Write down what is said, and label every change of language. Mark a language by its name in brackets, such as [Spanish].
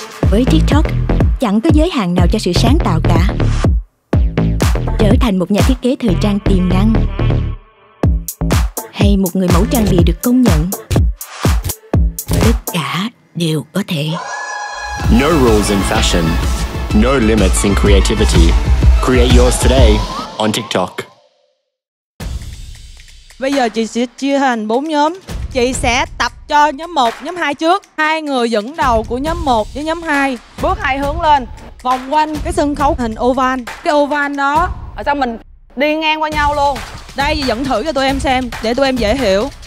[Vietnamese] Với TikTok, chẳng có giới hạn nào cho sự sáng tạo cả. Trở thành một nhà thiết kế thời trang tiềm năng, hay một người mẫu trang bị được công nhận, tất cả đều có thể. [English] No rules in fashion, no limits in creativity. Create yours today on TikTok. [Vietnamese] Bây giờ chị sẽ chia thành 4 nhóm. Chị sẽ tập cho nhóm 1, nhóm 2 trước. Hai người dẫn đầu của nhóm 1 với nhóm 2 bước hai hướng lên, vòng quanh cái sân khấu hình oval. Cái oval đó ở sau mình đi ngang qua nhau luôn. Đây, chị dẫn thử cho tụi em xem để tụi em dễ hiểu.